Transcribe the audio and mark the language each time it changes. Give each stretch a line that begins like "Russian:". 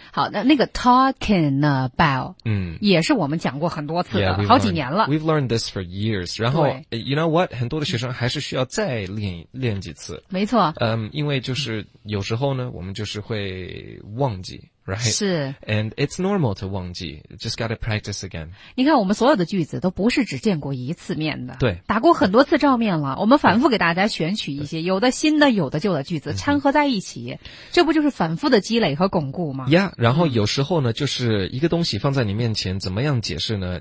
Chinese: 好那个
English: talking about,
Chinese: 也是我们讲过很多次的
English: yeah,
Chinese: 好几年了。
English: We've learned this for years, 然后 you know what,
Chinese: 很多的学生还是需要再练几次。没错。因为就是有时候呢我们就是会忘记。
English: Right?
Chinese: 是
English: ，and it's normal to
Chinese: 忘记
English: ，just gotta practice again.
Chinese: 你看，我们所有的句子都不是只见过一次面的，对，打过很多次照面了。我们反复给大家选取一些有的新的、有的旧的句子掺合在一起，这不就是反复的积累和巩固吗？Yeah， 然后有时候呢，就是一个东西放在你面前，怎么样解释呢？